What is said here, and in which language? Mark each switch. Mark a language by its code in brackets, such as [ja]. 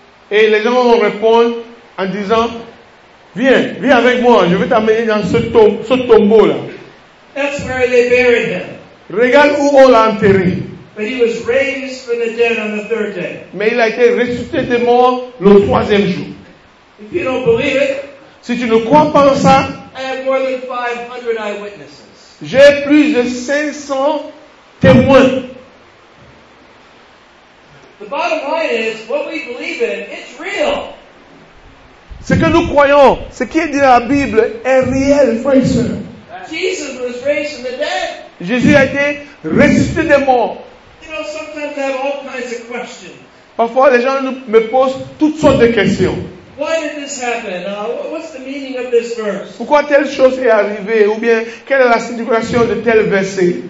[fr] Et les gens vont répondre en disant, viens, viens avec moi, je vais t'amener dans ce tombeau-là. [en] That's where they buried him. [fr] Regarde où on l'a enterré. [en] But he was raised from the dead on the third day. [fr] Mais il a été ressuscité des morts le troisième jour. [en] If you don't believe it, [fr] si tu ne crois pas en ça, [en] I have more than 500 eyewitnesses. [fr] J'ai plus de 500 témoins. [en] The bottom line is, what we believe in, it's real. [fr] Ce que nous croyons, ce qui est dit dans la Bible, est réel, frère et soeur. [en] Jesus was raised from the dead. [fr] Jésus a été ressuscité des morts. [en] You know, sometimes I have all kinds of questions. [fr] Parfois, les gens me posent toutes sortes de questions. [en] Why did this happen? What's the meaning of this verse? [fr] Pourquoi telle chose est arrivée? Ou bien, quelle est la signification de tel verset?